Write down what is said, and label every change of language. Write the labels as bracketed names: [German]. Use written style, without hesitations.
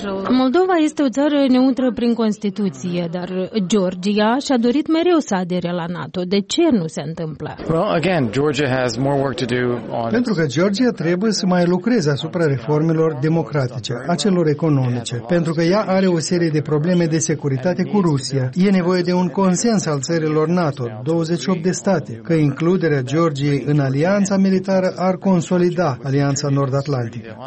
[Romanian] Moldova este o țară neutră prin Constituție, dar Georgia și-a dorit mereu să adere la NATO. De ce nu se întâmplă? [English] Well, again, Georgia has more work to do. [Romanian] Pentru că Georgia trebuie să mai lucreze asupra reformelor democratice, a celor economice, pentru că ea are o serie de probleme de securitate cu Rusia. E nevoie de un consens al țărilor NATO, 28 de state, că includerea Georgiei în alianța militară ar consolida alianța nord-atlantică.